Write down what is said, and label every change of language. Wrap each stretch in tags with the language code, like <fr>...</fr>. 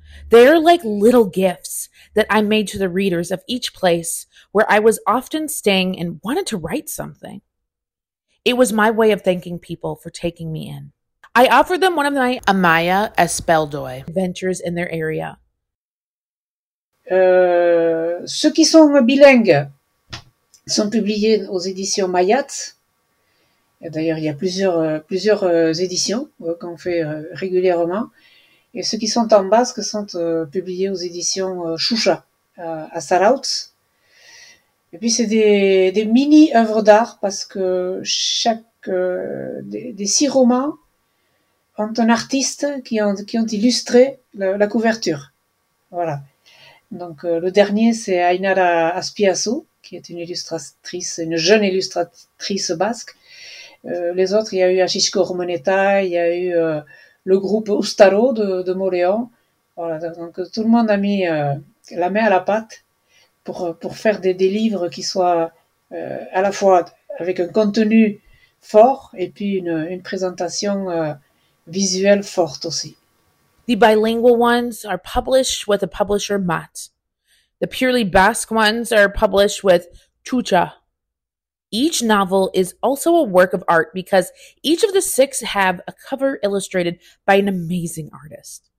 <en>They are like little gifts that I made to the readers of each place where I was often staying and wanted to write something. It was my way of thanking people for taking me in. I offered them one of my Amaya Speldoy adventures in their area.</en> <fr>Ceux qui sont bilingues, sont publiés aux éditions Mayat. Et d'ailleurs, il y a plusieurs éditions qu'on fait régulièrement. Et ceux qui sont en basque sont publiés aux éditions Choucha à Sarautz. Et puis, c'est des mini œuvres d'art parce que chaque des 6 romans ont un artiste qui ont illustré la couverture. Voilà. Donc, le dernier, c'est Ainara Azpiazu, qui est une illustratrice, une jeune illustratrice basque. Les autres, il y a eu Achisco Romaneta, il y a eu le groupe Ustaro de Moléon. Voilà. Donc, tout le monde a mis la main à la pâte pour faire des livres qui soient à la fois avec un contenu fort et puis une présentation visuelle forte aussi.</fr> <en>The bilingual ones are published with a publisher, Mat. The purely Basque ones are published with Choucha. Each novel is also a work of art because each of the 6 have a cover illustrated by an amazing artist.</en>